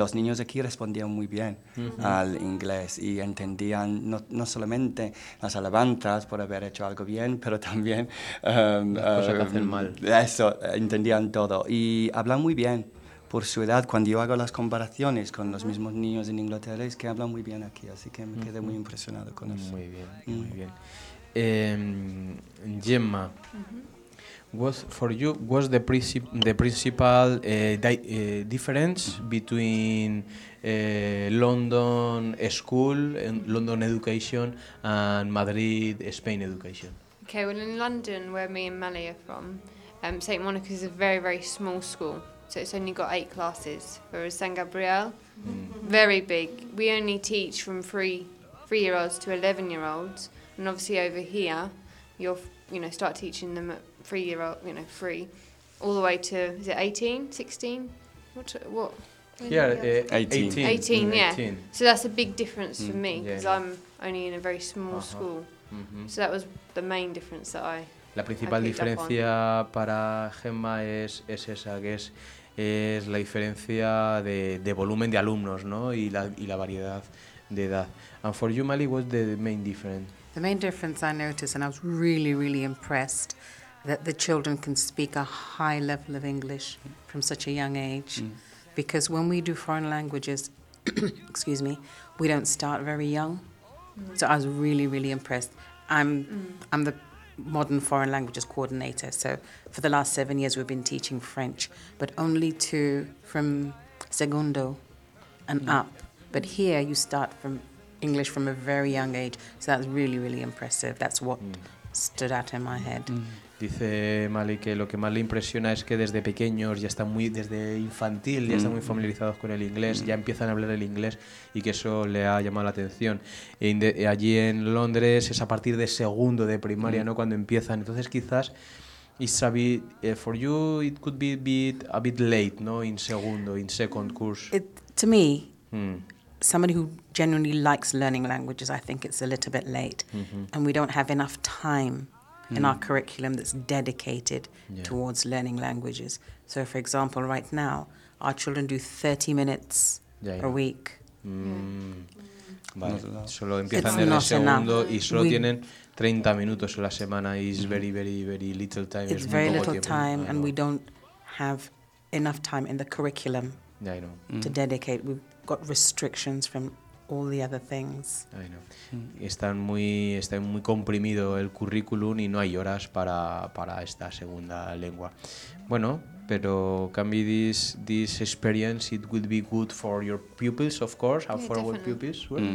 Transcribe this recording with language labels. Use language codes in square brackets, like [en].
[es] los niños aquí respondían muy bien al inglés y entendían no solamente las alabanzas por haber hecho algo bien, pero también las cosas que hacen mal. Eso, entendían todo. Y hablan muy bien por su edad. Cuando yo hago las comparaciones con los mismos niños en Inglaterra, es que hablan muy bien aquí. Así que me quedé muy impresionado con eso. Muy bien, muy bien. Gemma. [en] What for you was the principal difference between London school and London education and Madrid Spain education? Okay, well, in London, where me and Mally are from, St. Monica's is a very, very small school, so it's only got 8 classes, whereas San Gabriel, very big. We only teach from 3-year-olds to 11-year-olds, and obviously over here, you start teaching them at 3-year-old, all the way to, is it 18, 16? What? Yeah, 18. 18, yeah. 18. So that's a big difference for me, because I'm only in a very small school. So that was the main difference that I picked up on. [es] La principal diferencia para Gemma es esa, que es la diferencia de volumen de alumnos, ¿no? Y la variedad de edad. [en] And for you, Mally, what's the main difference? The main difference I noticed, and I was really, really impressed, that the children can speak a high level of English from such a young age. Mm. Because when we do foreign languages, excuse me, we don't start very young. So I was really, really impressed. I'm the modern foreign languages coordinator. So for the last 7 years, we've been teaching French, but only from segundo and up. But here you start from English from a very young age. So that's really, really impressive. That's what stood out in my head. [es] Dice Mally que lo que más le impresiona es que desde pequeños ya están muy, desde infantil ya están muy familiarizados con el inglés, ya empiezan a hablar el inglés y que eso le ha llamado la atención. Allí en Londres es a partir de segundo de primaria, ¿no? Cuando empiezan. Entonces quizás [en] it's a bit, for you it could be a bit late, ¿no? In segundo, in second course. It, to me, somebody who genuinely likes learning languages, I think it's a little bit late, and we don't have enough time in our curriculum that's dedicated towards learning languages. So, for example, right now, our children do 30 minutes a week. [es] Vale. Solo empiezan en el segundo y solo tienen 30 minutos a la semana. [en] It's very, very, very little time. It's very little time, and we don't have enough time in the curriculum to dedicate. We've got restrictions from all the other things. I know. [es] Están muy comprimido el currículum y no hay horas para esta segunda lengua. Bueno, pero [en] can be this experience, it would be good for your pupils, of course, and for our pupils.